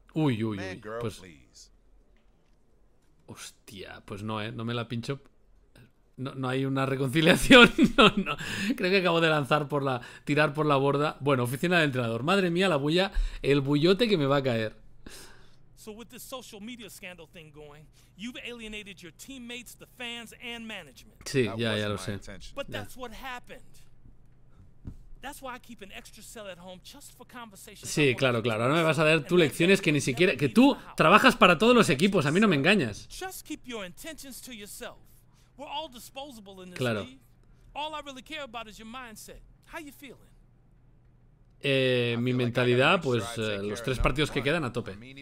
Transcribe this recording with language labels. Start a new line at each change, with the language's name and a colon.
Spanish: Uy, uy, uy. Pues hostia, pues no, no me la pincho. No hay una reconciliación. No. Creo que acabo de tirar por la borda. Bueno, oficina del entrenador. Madre mía, la bulla, el bullote que me va a caer.
English: So with this social media scandal thing going, you've alienated your teammates, the fans, and management.
Spanish: Sí, ya lo sé.
English: But that's what happened. That's why I keep an extra cell at home just for conversations.
Spanish: Sí, claro. Ahora me vas a dar tú lecciones que ni siquiera... Que tú trabajas para todos los equipos. A mí no me engañas.
English: Just keep your intentions to yourself. We're all disposable in this league. All I really care about is your mindset. How you feeling?
Spanish: Mi mentalidad, pues los tres partidos que quedan a tope.